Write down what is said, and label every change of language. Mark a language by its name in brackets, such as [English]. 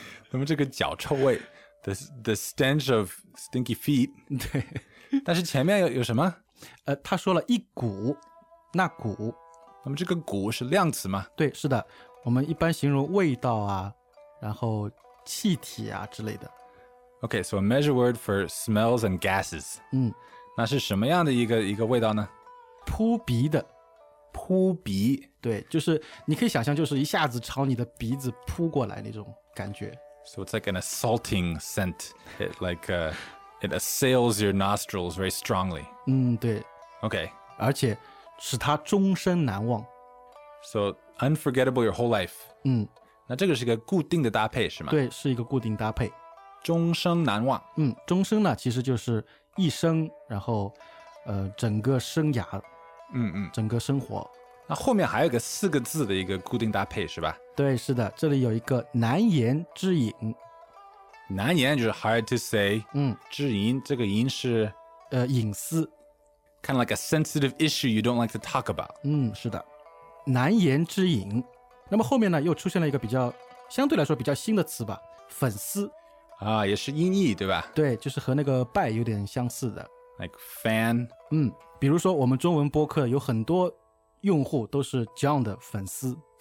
[Chinese] 那么这个脚臭味 ， [English] the stench of stinky feet。 [Chinese] 对。但是前面有什么？他说了一股。那股，那么这个股是量词吗？对，是的，我们一般形容味道啊，然后气体啊之类的。 [English] OK, so a measure word for smells and gases. [Chinese] 那是什么样的一个味道呢？扑鼻的。扑鼻？对，就是你可以想象就是一下子朝你的鼻子扑过来那种感觉。 [English] So it's like an assaulting scent. It assails your nostrils very strongly. [Chinese] 对。 OK, 而且使他终身难忘。 [English] So unforgettable your whole life. [Chinese] 那这个是一个固定的搭配是吗？对，是一个固定搭配。终生难忘。终生呢其实就是一生，然后整个生涯，整个生活。那后面还有个四个字的一个固定搭配是吧？对，是的，这里有一个难言之隐。难言就是 [English] hard to say， [Chinese] 之隐这个隐是隐私。 [English] Kind of like a sensitive issue you don't like to talk about。 [Chinese] 是的，难言之隐。那么后面呢又出现了一个比较相对来说比较新的词吧，粉丝。啊，也是音译对吧？对，就是和那个拜有点相似的。 [English] Like fan。 [Chinese] 比如说我们中文播客有很多用户都是 John 的粉丝。